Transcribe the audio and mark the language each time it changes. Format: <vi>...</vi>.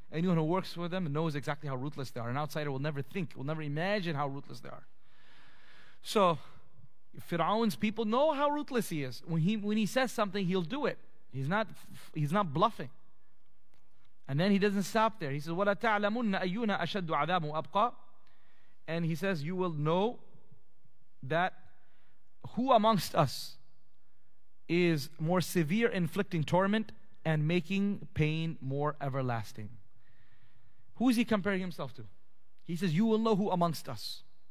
<en>Anyone who works for them knows exactly how ruthless they are. An outsider will never think, will never imagine how ruthless they are. So Fir'aun's people know how ruthless he is. When he says something, he'll do it. He's not bluffing. And then he doesn't stop there.</en> <ar>He says, وَلَتَعْلَمُنَّ أَيُّنَا أَشَدُّ عَذَابٌ أَبْقَى.</ar> <en>And he says, you will know that who amongst us is more severe inflicting torment and making pain more everlasting. Who is he comparing himself to? He says, you will know who amongst us.</en>